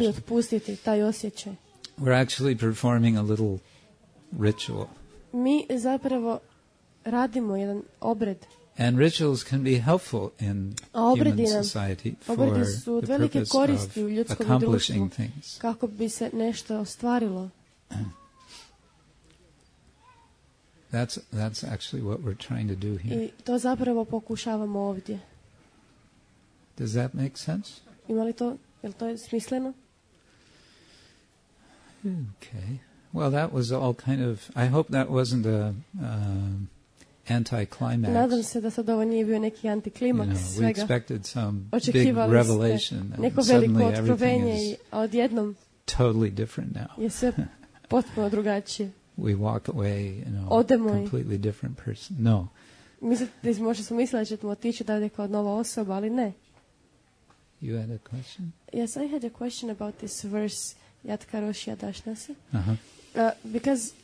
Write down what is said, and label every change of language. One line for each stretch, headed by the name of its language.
Croatian: Li otpustiti taj osjećaj?
English: We're actually performing a little ritual.
Croatian: mi zapravo radimo jedan obred.
English: And rituals can be helpful in human society for the purpose of accomplishing things.
Croatian: Kako bi se nešto ostvarilo.
English: That's actually what we're trying to do here.
Croatian: I to zapravo pokušavamo ovdje.
English: Does that make sense?
Croatian: Ima li to, jel to je smisleno?
English: Okay. Well, that was all kind of, I hope that wasn't a anti-climax.
Croatian: Nadam se da sad ovo nije bio neki anti-klimaks svega.
English: You know, we expected some big revelation and suddenly everything is
Croatian: odjednom
English: totally different now.
Croatian: Je sve potpuno drugačije.
English: We walk away, you know, a completely different person. No.
Croatian: Mislite, možda smo mislili da ćemo otići da je kao nova osoba, ali ne.
English: You had a question? Yes, I had a question about this verse, Yad Karosh Yad Ashnasi. Because